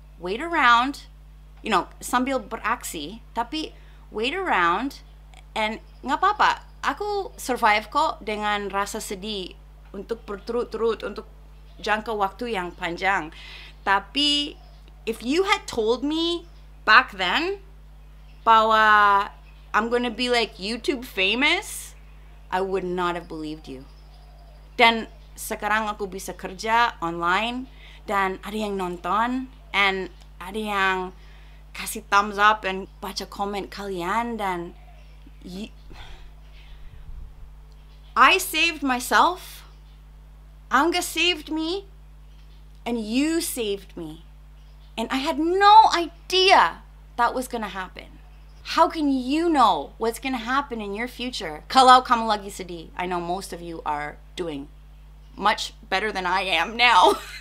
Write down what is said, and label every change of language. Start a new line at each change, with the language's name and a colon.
Indonesian: Wait around, you know, sambil beraksi, tapi wait around, and gak apa-apa, aku survive kok dengan rasa sedih untuk berturut-turut, untuk jangka waktu yang panjang.
English: Tapi if you had told me back then bahwa I'm gonna be like YouTube famous, I would not have believed you.
Indonesian: Dan sekarang aku bisa kerja online dan ada yang nonton and ada yang kasih thumbs up and baca comment kalian dan I saved myself.
English: Anga saved me, and you saved me, and I had no idea that was gonna happen. How can you know what's gonna happen in your future? Kalau kamu lagi sedih, I know most of you are doing much better than I am now.